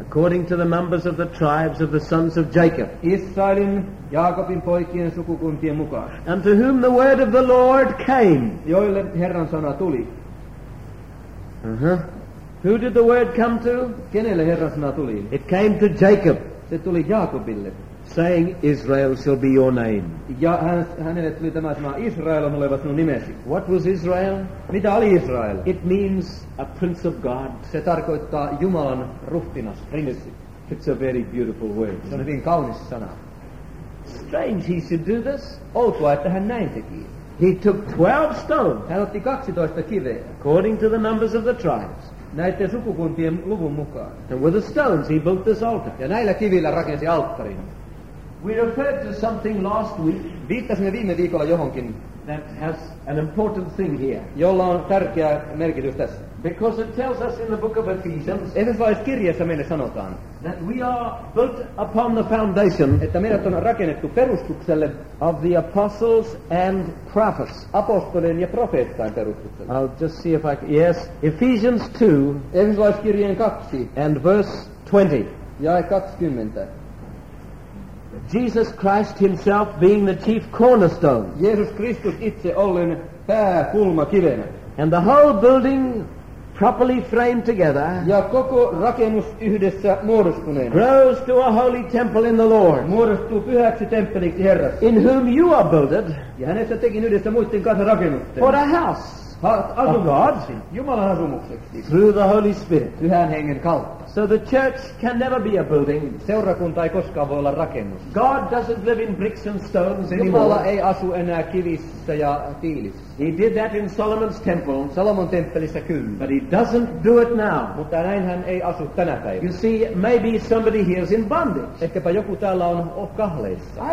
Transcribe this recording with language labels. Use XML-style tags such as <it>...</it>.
<en>According to the numbers of the tribes of the sons of Jacob.</en> <fi>Israelin, Jaakobin poikien sukukuntien mukaan.</fi> <en>And to whom the word of the Lord came.</en> <fi>Joille Herran sana tuli.</fi> <en>Who did the word come to?</en> <fi>Kenelle Herran sana tuli?</fi> <en>It came to Jacob.</en> <fi>Se tuli Jaakobille.</fi> <en>Saying Israel shall be your name.</en> <fi>Ja hänelle tuli tämä sana, Israel on oleva sinun nimesi.</fi> <en>What was Israel?</en> <fi>Mitä oli Israel?</fi> <en>It means a prince of God.</en> <fi>Se tarkoittaa Jumalan ruhtinas, prinssi.</fi> <en>It's a very beautiful word.</en> <fi>Se on hyvin kaunis sana.</fi> <en>strange he should do this.</en> <fi>Outoa, että hän näin teki.</fi> <en>He took 12 stones.</en> <fi>Hän otti 12 kiveä.</fi> <en>According to the numbers of the tribes.</en> <fi>Näiden sukukuntien luvun mukaan.</fi> <en>And with the stones he built this altar.</en> <fi>Ja näillä kivillä rakensi alttarin.</fi> <en>We referred to something last week.</en> <fi>Viittasimme viime viikolla johonkin.</fi> <en>That has an important thing here.</en> <fi>Jolla on tärkeä merkitys tässä.</fi> <en>Because it tells us in the book of Ephesians.</en> <fi>Efesolaiskirjassa meille sanotaan.</fi> <en>That we are built upon the foundation.</en> <fi>Että meidät on rakennettu perustukselle.</fi> <en>Of the apostles and prophets.</en> <fi>Apostolien ja profeettain perustukselle.</fi> <en>I'll just see if I can. Yes, Ephesians 2.</en> <fi>Efesolaiskirjeen 2.</fi> <en>And verse 20.</en> <fi>Jae 20.</fi> <en>Jesus Christ himself being the chief cornerstone.</en> <fi>Jeesus Kristus itse ollen pääkulmakivenä.</fi> <en>And the whole building properly framed together.</en> <fi>Ja koko rakennus yhdessä muodostuneena.</fi> <en>Grows to a holy temple in the Lord.</en> <fi>Muodostuu pyhäksi temppeliksi Herrassa.</fi> <en>In whom you are builded.</en> <fi>Ja hänestä tekin yhdessä muiden kanssa rakennutte.</fi> <en>For a house.</en> <fi>Asumukseksi. Jumalan asumukseksi.</fi> <en>Through the Holy Spirit.</en> <fi>Pyhän hengen kautta.</fi> <en>So the church can never be a building.</en> <fi>Seurakunta ei koskaan voi olla rakennus.</fi> <en>God doesn't live in bricks and stones anymore.</en> <fi>Jumala ei asu enää kivissä ja tiilissä.</fi> <en>He did that in Solomon's temple.</en> <fi>Salomon temppelissä kyllä.</fi> <en>But he doesn't do it now.</en> <fi>Mutta näin hän ei asu tänä päivänä.</fi> <en>You see, maybe somebody here is in bondage.</en> <fi>Ehkäpä joku täällä on kahleissa.</fi>